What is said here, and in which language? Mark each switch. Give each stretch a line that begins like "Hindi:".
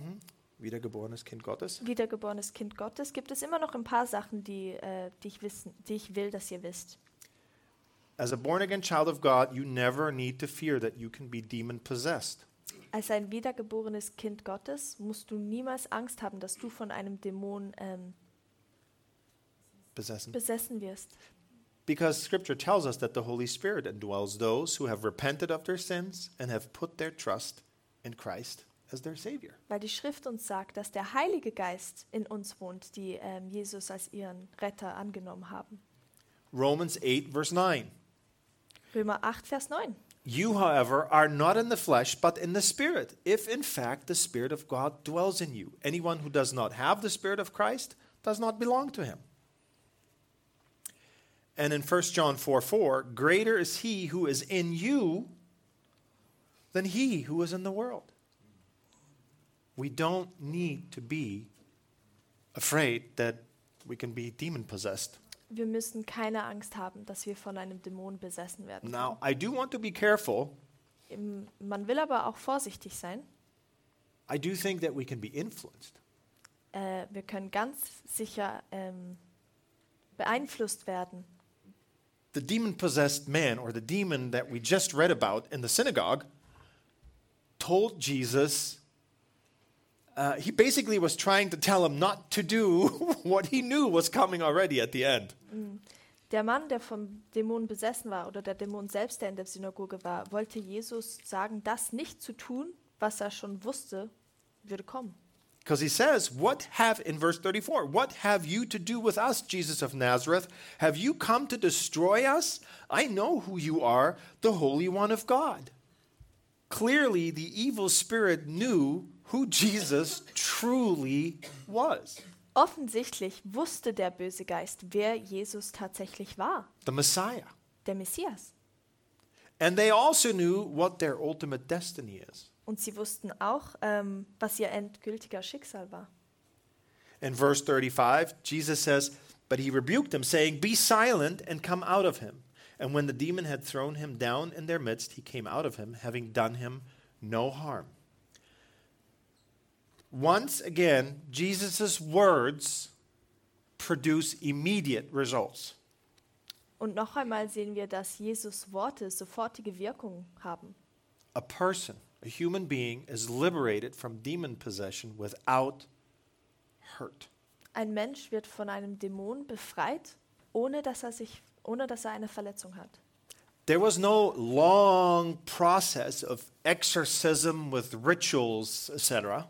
German: Mm-hmm. Wiedergeborenes Kind Gottes. Wiedergeborenes Kind Gottes, gibt es immer noch ein paar Sachen, die ich will, dass ihr wisst.
English: As a born again child of God, you never need to fear that you can be demon possessed.
German: Als ein wiedergeborenes Kind Gottes musst du niemals Angst haben, dass du von einem Dämon besessen wirst.
English: Because scripture tells us that the Holy Spirit indwells those who have repented of their sins and have put their trust in Christ as their Savior.
German: Weil die Schrift uns sagt, dass der Heilige Geist in uns wohnt, die Jesus als ihren Retter angenommen haben.
English: Romans 8, verse 9.
German: Römer 8, Vers 9.
English: You, however, are not in the flesh, but in the Spirit, if in fact the Spirit of God dwells in you. Anyone who does not have the Spirit of Christ does not belong to him. And in 1 John 4, 4, greater is he who is in you than he who is in the world. We don't need to be afraid that we can be demon-possessed.
German: Wir müssen keine Angst haben, dass wir von einem Dämon besessen werden.
English: Now, I do want to be careful.
German: Man will aber auch vorsichtig sein.
English: I do think that we can be influenced.
German: Wir können ganz sicher beeinflusst werden.
English: The demon-possessed man or the demon that we just read about in the synagogue told Jesus, he basically was trying to tell him not to do what he knew was coming already at the end.
German: Der Mann, der vom Dämon besessen war, oder der Dämon selbst, der in der Synagoge war, wollte Jesus sagen, das nicht zu tun, was schon wusste, würde kommen.
English: Because he says, what have, in verse 34, what have you to do with us, Jesus of Nazareth? Have you come to destroy us? I know who you are, the Holy One of God. Clearly, the evil spirit knew who Jesus truly was.
German: Offensichtlich wusste der böse Geist, wer Jesus tatsächlich war.
English: The Messiah.
German: Der Messias.
English: And they also knew what their ultimate destiny is.
German: Und sie wussten auch, was ihr endgültiger Schicksal war.
English: In verse 35, Jesus says, but he rebuked them, saying, be silent and come out of him. And when the demon had thrown him down in their midst, he came out of him, having done him no harm. Once again, Jesus' words produce immediate results.
German: Und noch einmal sehen wir, dass Jesus' Worte sofortige Wirkung haben.
English: A person. A human being is liberated from demon possession without hurt.
German: Ein Mensch wird von einem Dämon befreit, ohne dass er eine Verletzung hat.
English: There was no long process of exorcism with rituals, etc.